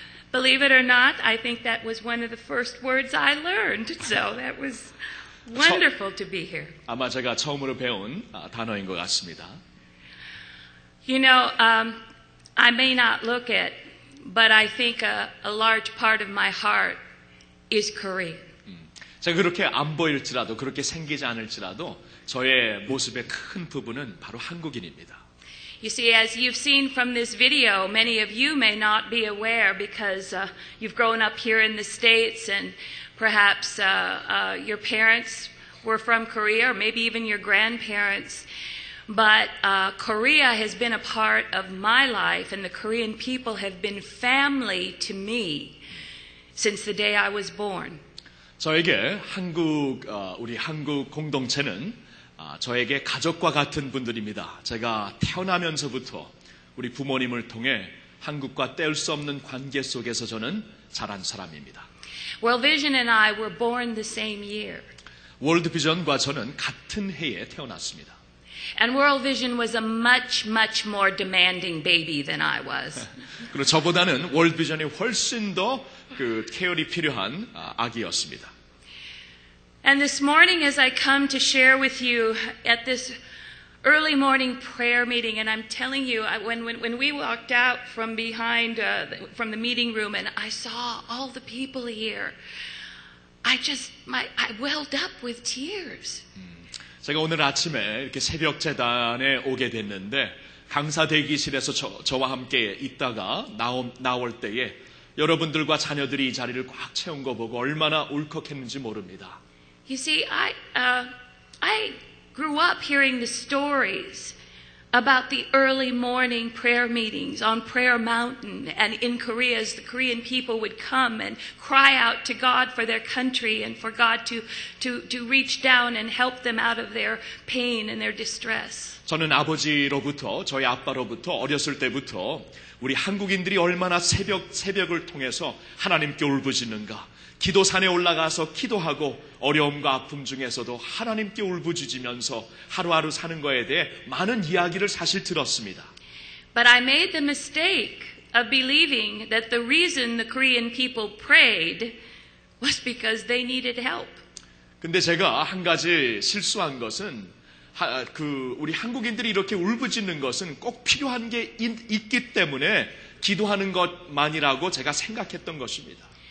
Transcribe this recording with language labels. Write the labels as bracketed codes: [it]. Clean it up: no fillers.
[en] Believe it or not, I think that was one of the first words I learned. So that was wonderful to be here. [ko] 아마 제가 처음으로 배운 단어인 것 같습니다. [en] You know, I may not look it, but I think a large part of my heart is Korean. [ko] 제가 그렇게 안 보일지라도 그렇게 생기지 않을지라도 저의 모습의 큰 부분은 바로 한국인입니다. [en] You see, as you've seen from this video, many of you may not be aware because you've grown up here in the States and perhaps your parents were from Korea or maybe even your grandparents. But Korea has been a part of my life, and the Korean people have been family to me since the day I was born. [ko] 저에게 한국 우리 한국 공동체는 저에게 가족과 같은 분들입니다. 제가 태어나면서부터 우리 부모님을 통해 한국과 뗄 수 없는 관계 속에서 저는 자란 사람입니다. [en] World Vision and I were born the same year. [ko] World Vision과 저는 같은 해에 태어났습니다. [en] And World Vision was a much, much more demanding baby than I was. [ko] 그리고 저보다는 World Vision이 훨씬 더 그 케어리 필요한 아기였습니다. [en] And this morning, as I come to share with you at this early morning prayer meeting, and I'm telling you, when we walked out from behind from the meeting room, and I saw all the people here, I welled up with tears. [ko] 제가 오늘 아침에 이렇게 새벽 재단에 오게 됐는데 강사 대기실에서 저와 함께 있다가 나올 때에 여러분들과 자녀들이 이 자리를 꽉 채운 거 보고 얼마나 울컥했는지 모릅니다. [en] You see, I grew up hearing the stories about the early morning prayer meetings on Prayer Mountain and in Korea as the Korean people would come and cry out to God for their country and for God to reach down and help them out of their pain and their distress. [ko] 저는 아버지로부터 저희 아빠로부터 어렸을 때부터 우리 한국인들이 얼마나 새벽을 통해서 하나님께 울부짖는가 기도산에 올라가서 기도하고 어려움과 아픔 중에서도 하나님께 울부짖으면서 하루하루 사는 거에 대해 많은 이야기를 사실 들었습니다. [en] But I made the mistake of believing that the reason the Korean people prayed was because they needed help. [ko] 근데 제가 한 가지 실수한 것은 우리 한국인들이 이렇게 울부짖는 것은 꼭 필요한 게 있기 때문에 기도하는 것만이라고 제가 생각했던 것입니다.